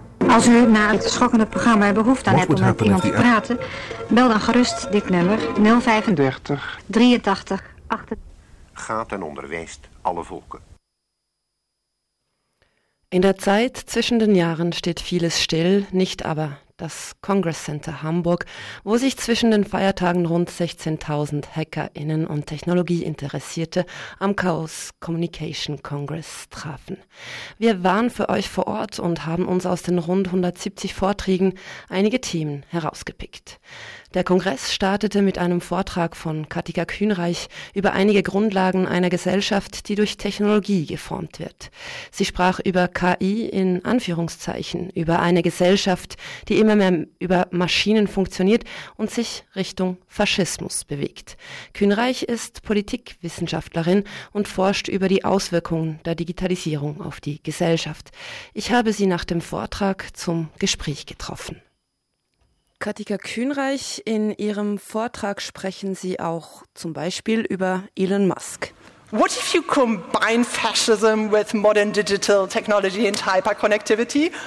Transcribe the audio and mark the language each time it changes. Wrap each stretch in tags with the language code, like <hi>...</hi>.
<nl>Als u na het schokkende programma behoefte aan hebt om met iemand te praten, bel dan gerust dit nummer 035 83 88. Gaat en onderwijst alle volken.</nl> <de>In der Zeit zwischen den Jahren steht vieles still, nicht aber das Congress Center Hamburg, wo sich zwischen den Feiertagen rund 16.000 HackerInnen und Technologieinteressierte am Chaos Communication Congress trafen. Wir waren für euch vor Ort und haben uns aus den rund 170 Vorträgen einige Themen herausgepickt. Der Kongress startete mit einem Vortrag von Katika Kühnreich über einige Grundlagen einer Gesellschaft, die durch Technologie geformt wird. Sie sprach über KI in Anführungszeichen, über eine Gesellschaft, die immer mehr über Maschinen funktioniert und sich Richtung Faschismus bewegt. Kühnreich ist Politikwissenschaftlerin und forscht über die Auswirkungen der Digitalisierung auf die Gesellschaft. Ich habe sie nach dem Vortrag zum Gespräch getroffen. Katika Kühnreich, in Ihrem Vortrag sprechen Sie auch zum Beispiel über Elon Musk.</de> <en>What if you combine fascism with modern digital technology and hyperconnectivity?</en>